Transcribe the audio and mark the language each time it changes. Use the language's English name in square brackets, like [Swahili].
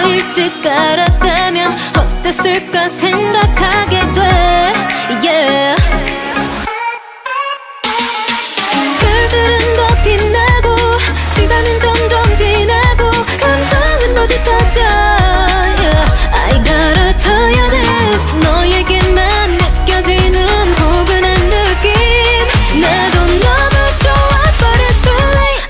[Korean] 일찍 알았다면 어땠을까 생각하게 돼. [English] Yeah. [Korean] 별들은 더 빛나고 시간은 점점 지나고 감성은 더 짙어져. [English] Yeah. I gotta tell you this. [Korean] 너에게만 느껴지는 포근한 느낌 나도 너무 좋아 [English] but it's too late.